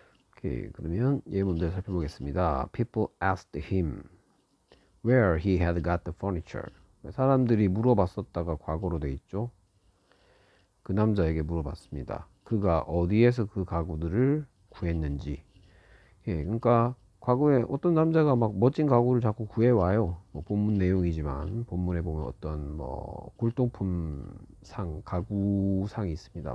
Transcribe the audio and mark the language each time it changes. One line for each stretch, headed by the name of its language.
Korean: 오케이, 그러면 예문들 살펴보겠습니다.
English: People asked him where he had got the furniture.
Korean: 사람들이 물어봤었다가 과거로 돼 있죠. 그 남자에게 물어봤습니다. 그가 어디에서 그 가구들을 구했는지. 예, 그러니까 과거에 어떤 남자가 막 멋진 가구를 자꾸 구해와요. 뭐 본문 내용이지만, 본문에 보면 어떤 뭐 골동품 상, 가구 상이 있습니다.